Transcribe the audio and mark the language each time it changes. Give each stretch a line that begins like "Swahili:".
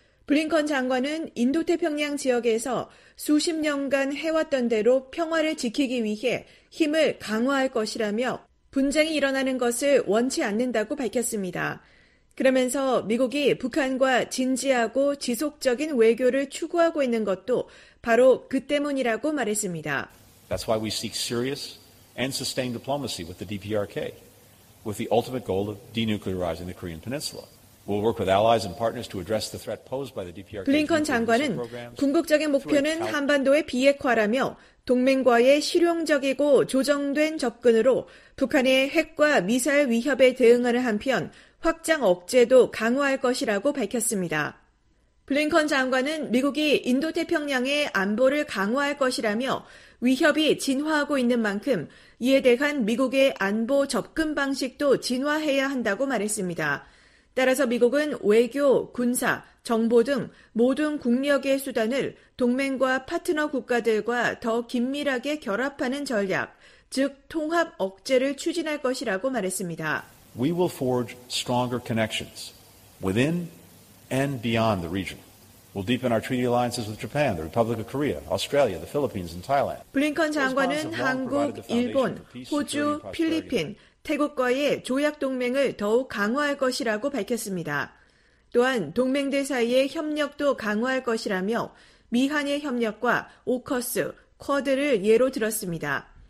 Korean: 블링컨 장관은 인도태평양 지역에서 수십 년간 해왔던 대로 평화를 지키기 위해 힘을 강화할 것이라며 분쟁이 일어나는 것을 원치 않는다고 밝혔습니다. 그러면서 미국이 북한과 진지하고 지속적인 외교를 추구하고 있는 것도 바로 그 때문이라고 말했습니다.
English: That's why we seek serious and sustained diplomacy with the DPRK, with the ultimate goal of denuclearizing the Korean Peninsula. We'll work with allies and partners to address the threat posed by the DPRK.
Korean: 블링컨 장관은 궁극적인 목표는 한반도의 비핵화라며 동맹과의 실용적이고 조정된 접근으로 북한의 핵과 미사일 위협에 대응하는 한편 확장 억제도 강화할 것이라고 밝혔습니다. 블링컨 장관은 미국이 인도태평양의 안보를 강화할 것이라며 위협이 진화하고 있는 만큼 이에 대한 미국의 안보 접근 방식도 진화해야 한다고 말했습니다. 따라서 미국은 외교, 군사, 정보 등 모든 국력의 수단을 동맹과 파트너 국가들과 더 긴밀하게 결합하는 전략, 즉 통합 억제를 추진할 것이라고 말했습니다.
English: We will forge stronger connections within and beyond the region. We'll deepen our treaty alliances with Japan, the Republic of Korea, Australia, the Philippines, and Thailand.
Korean: 블링컨 장관은 한국, 일본, 호주, 필리핀, 태국과의 조약 동맹을 더욱 강화할 것이라고 밝혔습니다. 또한 동맹들 사이의 협력도 강화할 것이라며 미한의 협력과 오커스, 쿼드를 예로 들었습니다.